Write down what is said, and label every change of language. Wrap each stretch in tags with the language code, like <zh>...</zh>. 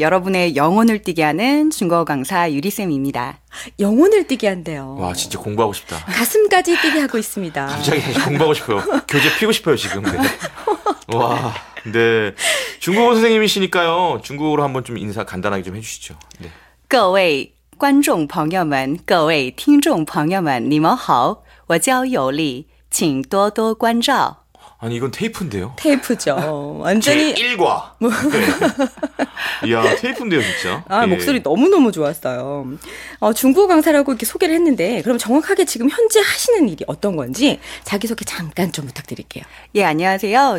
<ko>여러분의 영혼을 뛰게 하는 중국어 강사 유리쌤입니다. 영혼을 뛰게 한대요. 와, 진짜 공부하고 싶다. 가슴까지 뛰게 하고 있습니다. 갑자기 공부하고 싶어요. 교재 피고 싶어요, 지금. 네. 와, 네. 중국어 선생님이시니까요. 중국어로 한번 좀 인사 간단하게 좀 해주시죠. 네.</ko> <zh>各位</zh> <ko>관중</ko> <zh>朋友们, 各位 听众 朋友们, 你们好, 我叫有利, 请多多关照.</zh> <ko>아니, 이건 테이프인데요? 테이프죠. 완전히. 제1과. 네. 이야, 테이프인데요, 진짜. 아, 예. 목소리 너무너무 좋았어요. 중국어 강사라고 이렇게 소개를 했는데, 그럼 정확하게 지금 현재 하시는 일이 어떤 건지, 자기소개 잠깐 좀 부탁드릴게요. 예, 안녕하세요.</ko>